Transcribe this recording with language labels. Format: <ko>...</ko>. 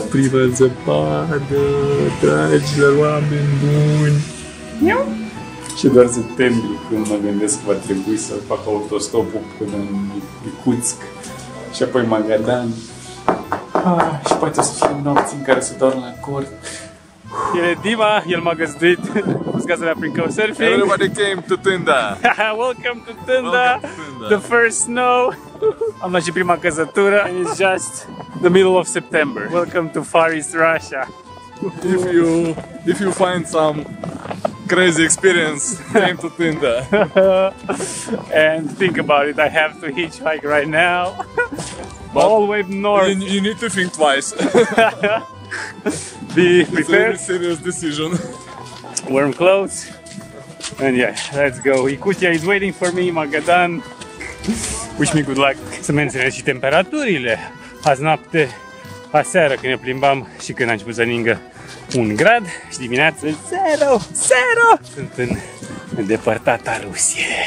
<ro>Primă zăpadă, dragilor oameni buni. Și doar septembrie, când mă gândesc că va trebui să fac autostopul până în Icuțsk și apoi Magadan. Și poate să fie nopții în care să dorm la cort. El e Dima, el m-a găzduit, pus gazarea prin Couchsurfing.</ro> <en>Everybody came to Tânda. Welcome to Tânda, the first snow.</en> <ro>Am luat și prima căzătură.</ro> <en>And it's just the middle of September. Welcome to Far East Russia. If you find some crazy experience, came to Tinda. And think about it, I have to hitchhike right now. But all the way north. You need to think twice. Be prepared. It's a serious decision. Warm clothes. And yeah, let's go. Icutia is waiting for me, Magadan. Wish me good luck.</en> <ro>Să menționez și temperaturile. Azi noapte, aseară când ne plimbam și când a început să ningă. 1 grad și dimineață 0. Sunt în îndepărtata Rusie.</ro>